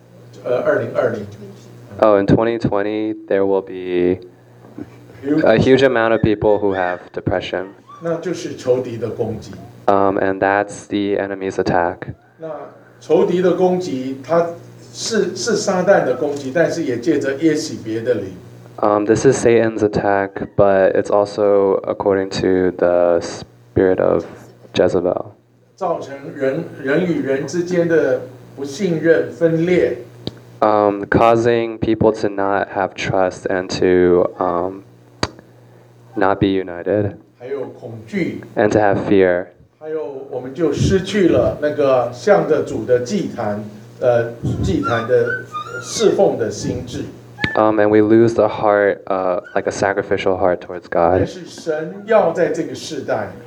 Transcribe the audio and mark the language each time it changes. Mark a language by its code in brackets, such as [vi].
[en] In 2020, there will be a huge amount of people who have depression. [zh] 那就是仇敌的攻击。 [en] And that's the enemy's attack. [zh] 那仇敌的攻击，它是撒旦的攻击，但是也借着耶洗别的灵。 [en] This is Satan's attack, but it's also according to the spirit of Jezebel. [zh] 造成人与人之间的不信任分裂。 [en] Causing people to not have trust and to not be united. [zh] 还有恐惧。 [en] And to have fear. [zh] 还有我们就失去了那个向着主的祭坛的侍奉的心智。 [en] And we lose the heart, like a sacrificial heart towards God. [zh] 也是神要在这个世代。